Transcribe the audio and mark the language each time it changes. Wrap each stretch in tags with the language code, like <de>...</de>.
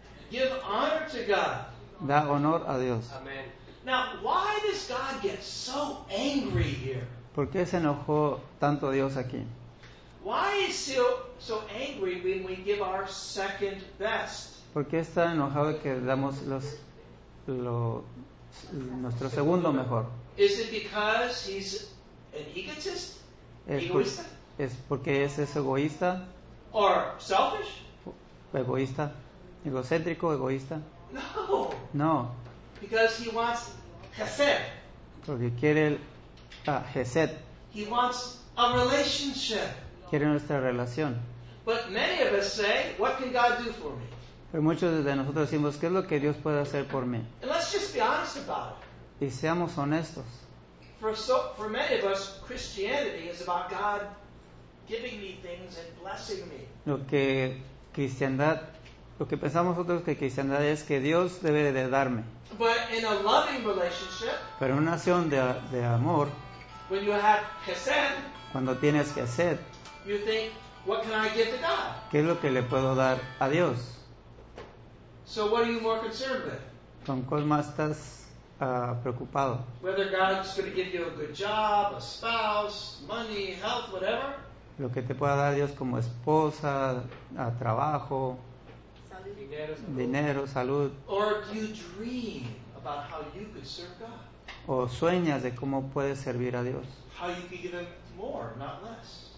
<en>Give honor to God.</en> <es>Da honor a Dios.</es> <en>Amen. Now, why does God get so angry here?</en> <es>¿Por qué se enojó tanto Dios aquí?</es> <en>Why is he so angry when we give our second best?</en> <es>¿Por qué está enojado que damos nuestro segundo mejor?</es> <en>Is it because he's an egotist?</en> <es>¿Es porque es egoísta?</es> <en>Or selfish?</en> <es>Egoísta. Egocéntrico, egoísta.</es> <en>No.</en> <es>No.</es> <en>Because he wants chesed.</en> <es>Porque quiere chesed.</es> <en>He wants a relationship.</en> <es>Quiere nuestra relación.</es> <en>But many of us say, what can God do for me?</en> <es>Pero muchos de nosotros decimos, ¿qué es lo que Dios puede hacer por mí?</es> <en>And let's just be honest about it.</en> <es>Y seamos honestos.</es> <en>For many of us, Christianity is about God giving me things and blessing me.</en> <es>Lo que pensamos nosotros que cristiandad es que Dios debe de darme.</es> <en>But in a loving relationship,</en> <es>pero en una acción de amor,</es> <en>when you have chesed,</en> <es>cuando tienes chesed,</es> <en>you think, what can I give to God?</en> <es>¿Qué es lo que le puedo dar a Dios?</es> <en>So what are you more concerned with?</en> <es>¿Con cuál más estás preocupado?</es> <en>Whether God's going to give you a good job, a spouse, money, health, whatever.</en> <es>Lo que te pueda dar Dios como esposa, a trabajo, dinero, salud.</es> <en>Or do you dream about how you could serve God?</en> <es>¿O sueñas de cómo puedes servir a Dios?</es> <en>How you could give him more, not less.</en>